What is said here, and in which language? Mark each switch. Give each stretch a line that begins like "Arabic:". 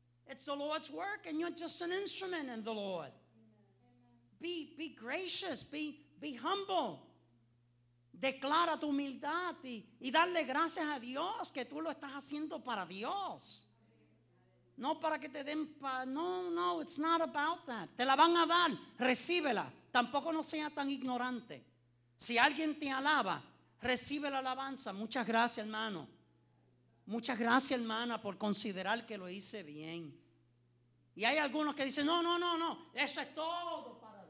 English: It's the Lord's work, and you're just an instrument in the Lord. Be gracious, be humble.
Spanish: Declara tu humildad y darle gracias a Dios que tú lo estás haciendo para Dios. No para que te den no,
English: it's not about that.
Spanish: Te la van a dar, recíbela. Tampoco no sea tan ignorante. Si alguien te alaba, recibe la alabanza. Muchas gracias, hermano. Muchas gracias, hermana, por considerar que lo hice bien. Y hay algunos que dicen, no, eso es todo.